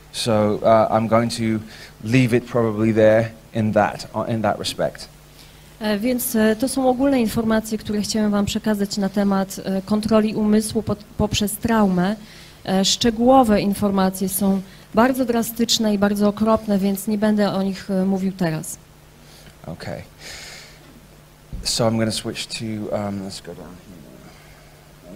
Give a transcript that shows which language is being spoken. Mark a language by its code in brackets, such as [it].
[en] So I'm going to leave it probably there in that respect. [pl] Więc to są ogólne informacje, które chciałem wam przekazać na temat kontroli umysłu poprzez traumę. Szczegółowe informacje są bardzo drastyczne i bardzo okropne, więc nie będę o nich mówił teraz. [en] Okay. So I'm going to switch to let's go down here.